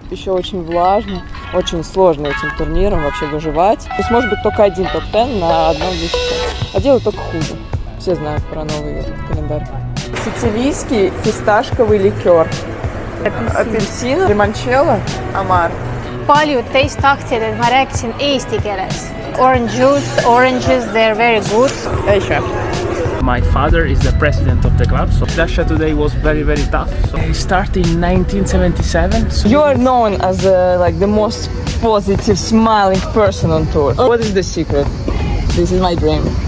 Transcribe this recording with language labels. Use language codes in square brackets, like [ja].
[ru] Еще очень влажно, очень сложно этим турниром вообще выживать. То есть может быть только один топ-10 на одном месте. А делают только хуже. Все знают про новый календарь. Сицилийский фисташковый ликер. Апельсин. Лимончелло. Амар. [et] Paljud teist tahtsid, et ma rääkisin eesti keeles. [en] Orange juice, oranges, they're very good. Natasha. My father is the president of the club, so Natasha today was very, very tough. So I started in 1977. So you are known as like the most positive, smiling person on tour. What is the secret? This is my dream.